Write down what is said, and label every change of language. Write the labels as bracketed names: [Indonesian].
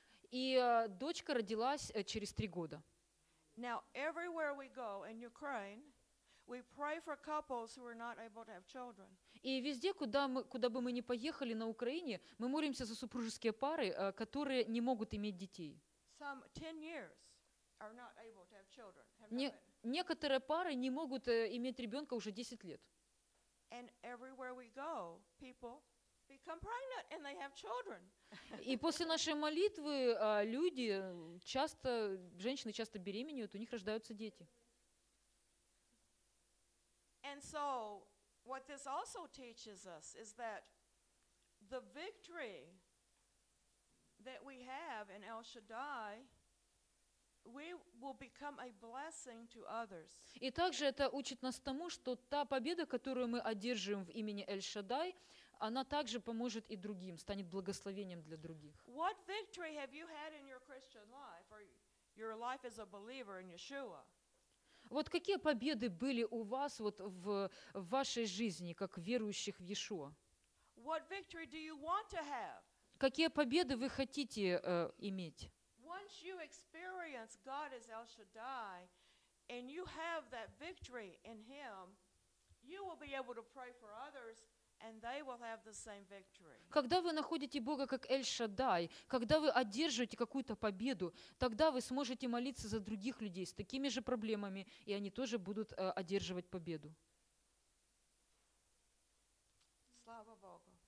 [Russian] И дочка родилась через 3 года. [English] Now, everywhere we go in Ukraine, we pray for couples who are not able to have children. [Russian] И везде, куда бы мы ни поехали на Украине, мы молимся за супружеские пары, которые не могут иметь детей. [English] Some 10 years are not able to have children. [Russian] Некоторые пары не могут иметь ребенка уже 10 лет. [English] And everywhere we go, people become pregnant and they have children. [Russian] И после нашей молитвы люди часто, женщины часто беременеют, у них рождаются дети. [English] And so what this also teaches us is that the victory that we have in El Shaddai, we will become a blessing to others. [Russian] И также это учит нас тому, что та победа, которую мы одержим в имени Эль-Шадай, она также поможет и другим, станет благословением для других. [English] What victory have you had in your Christian life, or your life as a believer in Yeshua? [Russian] Вот какие победы были у вас вот в вашей жизни как верующих в Иешуа? [English] What victory do you want to have? [Russian] Какие победы вы хотите иметь? [English] Once you experience God as El Shaddai, and you have that victory in Him, you will be able to pray for others, and they will have the same victory. [Russian] Когда вы находите Бога как Эль-Шадай, когда вы одерживаете какую-то победу, тогда вы сможете молиться за других людей с такими же проблемами, и они тоже будут одерживать победу. Слава Богу.